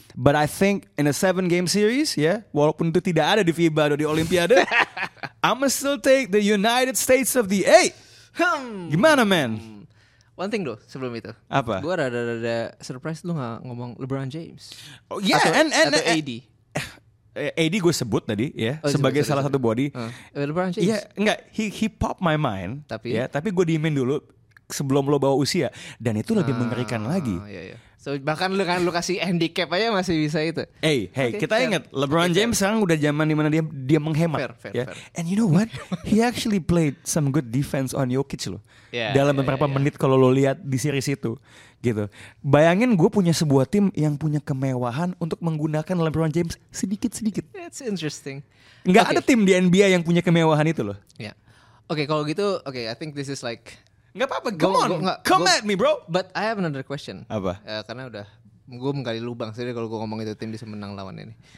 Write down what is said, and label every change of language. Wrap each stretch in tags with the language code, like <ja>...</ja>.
<en>But I think in a 7-game series, yeah,</en> <id>walaupun itu tidak ada di FIBA atau di Olimpiade,</id> <en>I'm gonna still take the United States of the 8.</en> <id>Gimana,</id> <en>man? One thing though,</en> <id>sebelum itu. Apa? Gua rada surprise lu enggak ngomong LeBron James.</id> <en>Oh yeah, AD.</en> <id>AD gue sebut tadi ya, yeah, sebagai sorry, salah satu body. LeBron James. Iya,</id> <en>yeah,</en> <id>enggak,</id> <en>he popped my mind.</en> <id>Tapi gue diemin dulu. sebelum lo bawa usia. Dan itu lebih mengerikan lagi. Yeah, yeah. So, bahkan dengan lo kasih handicap aja masih bisa itu. Hey, hey, okay, kita ingat LeBron James sekarang udah zaman dimana dia menghemat.</id> <en>Fair. And you know what? He actually played some good defense on Jokic lo.</en> <id>Dalam beberapa menit kalau lo lihat di series itu. Gitu. Bayangin gue punya sebuah tim yang punya kemewahan untuk menggunakan LeBron James sedikit-sedikit.</id> <en>That's interesting.</en> <id>Gak ada tim di NBA yang punya kemewahan itu loh.</id> <en>Yeah. Oke, okay,</en> <id>kalau gitu,</id> <en>oke, okay, I think this is like...</en> <id>Gak apa-apa,</id> <en>come at me bro. But I have another question.</en> <id>Apa? Karena udah, gue menggali lubang sendiri kalau gue ngomong itu tim bisa menang lawan ini.</id>